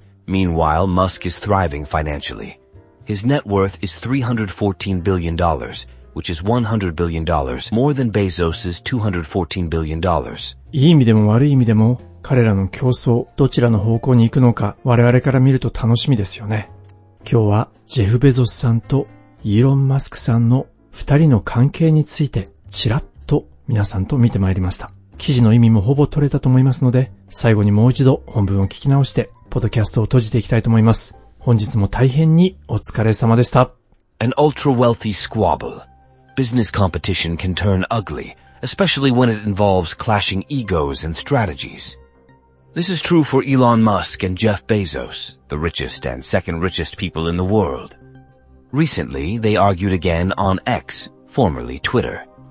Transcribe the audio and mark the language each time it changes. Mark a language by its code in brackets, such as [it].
[en] Meanwhile, Musk is thriving financially. His net worth is $314 billion, which is $100 billion, more than Bezos's $214 billion. [ja] いい意味でも悪い意味でも、彼らの競争、どちらの方向に行くのか、我々から見ると楽しみですよね。今日は、ジェフ・ベゾスさんとイーロン・マスクさんの二人の関係について、ちらっと皆さんと見てまいりました。記事の意味もほぼ取れたと思いますので、最後にもう一度本文を聞き直して、ポッドキャストを閉じていきたいと思います。本日も大変にお疲れ様でした。 [en] An ultra wealthy squabble. Business competition can turn ugly, especially when it involves clashing egos and strategies. This is true for Elon Musk and Jeff Bezos, the richest and second richest people in the world. Recently, they argued again on X, formerly Twitter.